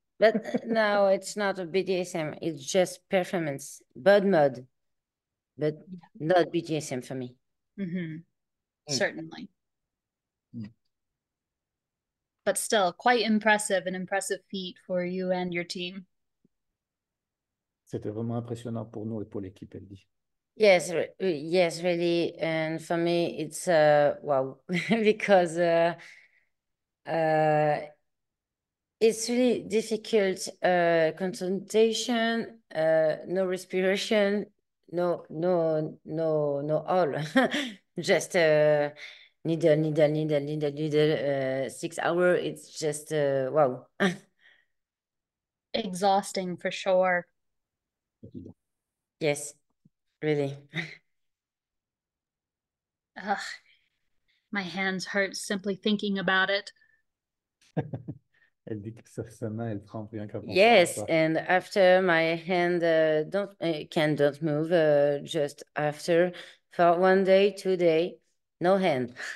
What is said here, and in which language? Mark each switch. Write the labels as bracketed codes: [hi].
[en] But now it's not a BDSM, it's just performance, bud mode. But not BDSM for me. Certainly. But still, quite impressive, an impressive feat for you and your team. [fr] C'était vraiment impressionnant pour nous et pour l'équipe, elle dit. [en] Yes, really. And for me, it's well, because it's really difficult. Concentration, no respiration, no all. Just needle, 6 hour. It's just wow. Exhausting for sure. Yes. Really. Ugh, my hands hurt simply thinking about it. [fr] Elle dit que sa main, elle tremble rien qu'à penser à [en] Yes, [fr] ça. [en] and after my hand don't move just after for 1 day, 2 day, no hand.